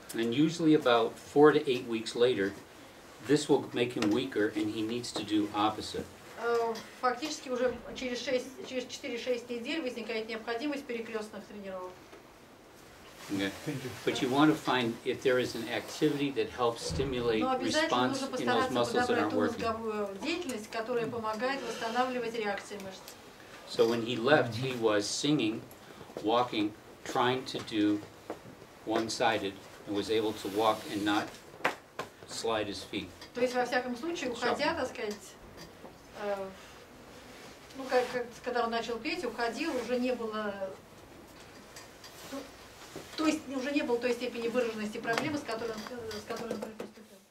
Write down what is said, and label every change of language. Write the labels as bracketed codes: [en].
[en] And usually about 4 to 8 weeks later, this will make him weaker, and he needs to do opposite. [ru] Фактически уже через 4-6 недель возникает необходимость перекрестных тренировок. [en] Okay. But you want to find if there is an activity that helps stimulate response in those muscles that aren't working. [ru] Мозговую деятельность, которая помогает восстанавливать реакции мышц. [en] So when he left, he was singing, walking, trying to do one-sided, and was able to walk and not slide his feet. [ru] То есть, во всяком случае, уходя, так сказать, ну, когда он начал петь, уходил, уже не было... То есть уже не было той степени выраженности проблемы, с которой он приступил.